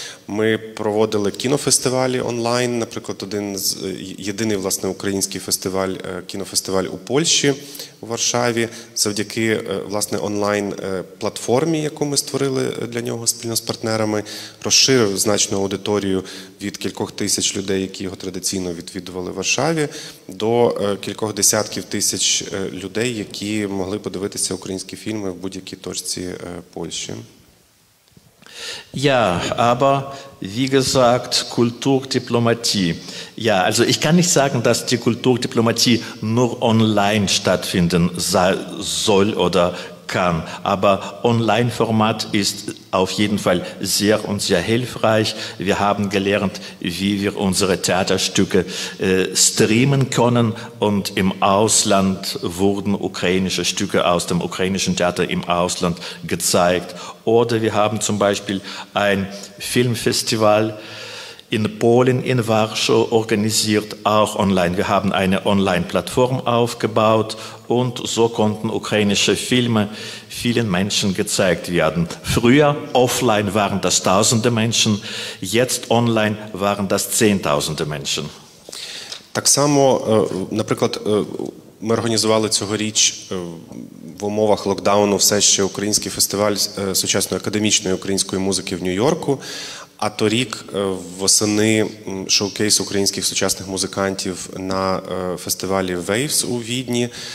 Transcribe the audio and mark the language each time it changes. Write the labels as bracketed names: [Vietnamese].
[Ukrainian] Ми проводили кінофестивалі онлайн, наприклад, один з єдиний, власне, український фестиваль, кінофестиваль у Польщі, у Варшаві, завдяки, власне, онлайн-платформі, яку ми створили для нього спільно з партнерами, розширив значну аудиторію від кількох тисяч людей, які його традиційно відвідували в Варшаві, до кількох десятків тисяч людей, які могли подивитися українські фільми в будь-якій точці Польщі. [German] Ja, aber wie gesagt, Kulturdiplomatie. Ja, also ich kann nicht sagen, dass die Kulturdiplomatie nur online stattfinden soll oder kann. Aber Online-Format ist auf jeden Fall sehr und sehr hilfreich. Wir haben gelernt, wie wir unsere Theaterstücke streamen können. Und im Ausland wurden ukrainische Stücke aus dem ukrainischen Theater im Ausland gezeigt. Oder wir haben zum Beispiel ein Filmfestival in Polen, in Warschau organisiert, auch online. Wir haben eine Online-Plattform aufgebaut und so konnten ukrainische Filme vielen Menschen gezeigt werden. Früher offline waren das tausende Menschen, jetzt online waren das zehntausende Menschen. [Ukrainian] Так само, наприклад, ми організували цьогоріч в умовах локдауну все ще український фестиваль сучасної академічної української музики в Нью-Йорку. А торік восени шоукейс українських сучасних музикантів на фестивалі Waves у Відні.